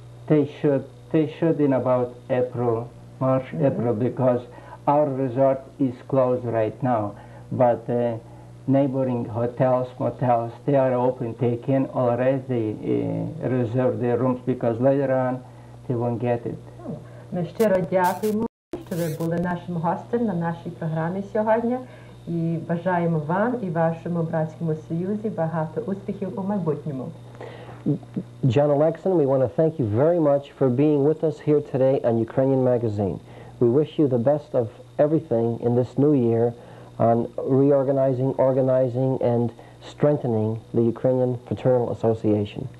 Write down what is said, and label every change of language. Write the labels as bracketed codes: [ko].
[en] They should in about April, March, mm-hmm. April, because our resort is closed right now. But neighboring hotels, motels, they are open. They can already reserve their rooms, because later on they won't get it. [uk] Ми щиро дякуємо, що ви були нашим гостем на нашій програмі сьогодні. І бажаємо вам і вашому братському союзі багато успіхів у майбутньому. [en] John Alexan, we want to thank you very much for being with us here today on Ukrainian Magazine. We wish you the best of everything in this new year on reorganizing, organizing, and strengthening the Ukrainian Fraternal Association.